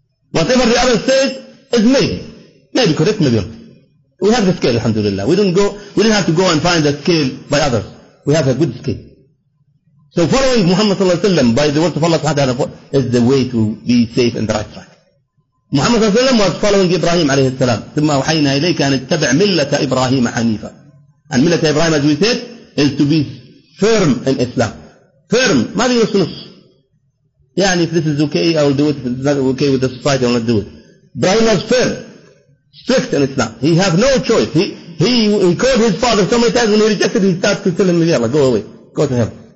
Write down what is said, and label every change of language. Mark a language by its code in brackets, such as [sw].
[en] Whatever the other says, is maybe. Maybe correct, maybe wrong. We have the scale, alhamdulillah. We didn't have to go and find the scale by others. We have a good scale. So following Muhammad sallallahu alayhi wa sallam by the words of Allah subhanahu wa ta'ala is the way to be safe and the right track. [ar] Muhammad صلى الله عليه وسلم [en] was following [ar] Ibrahim عليه السلام. ثم وحينا إليك أن اتبع ملة إبراهيم حنيفة. [en] And ملة إبراهيم as we said is to be firm in Islam. [ar] Firm. ما في نص نص. [en] يعني if this is okay I'll do it. If it's not okay with the society I'll not do it. Ibrahim was firm. Strict in Islam. He have no choice. He called his father so many times when he rejected he started to tell him, yeah, go away. Go to hell.